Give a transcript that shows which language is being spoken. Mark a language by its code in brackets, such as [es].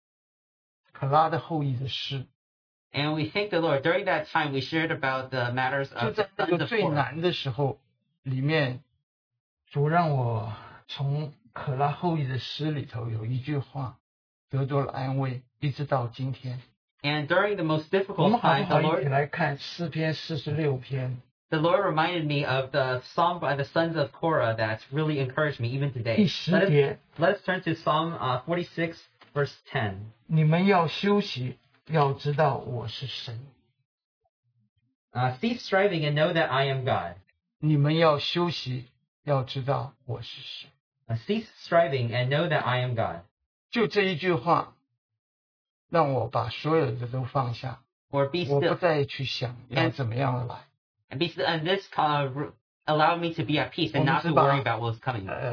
[zh] 感谢主那个时候就交通到可拉的后裔的事。 [en] And we thank the Lord, during that time, we shared about the matters of the sons of Korah. [zh] 就在那个最难的时候里面, 主让我从可拉后裔的诗里头有一句话得到了安慰，一直到今天。 [en] And during the most difficult time, [zh] 我们好像一起来看诗篇46篇。 [en] The Lord reminded me of the psalm by the sons of Korah that really encouraged me even today. [zh] 第十篇, [en] let's turn to Psalm 46, verse 10. [zh] 你们要休息，要知道我是神。 [en] Cease striving and know that I am God. [zh] 你们要休息。 [en] Cease striving and know that I am God. [zh] 就这一句话, 让我把所有的都放下, [en] or be still. [zh] 我不再去想要怎么样来, [en] and be still, and this allowed me to be at peace and not to worry about what's coming.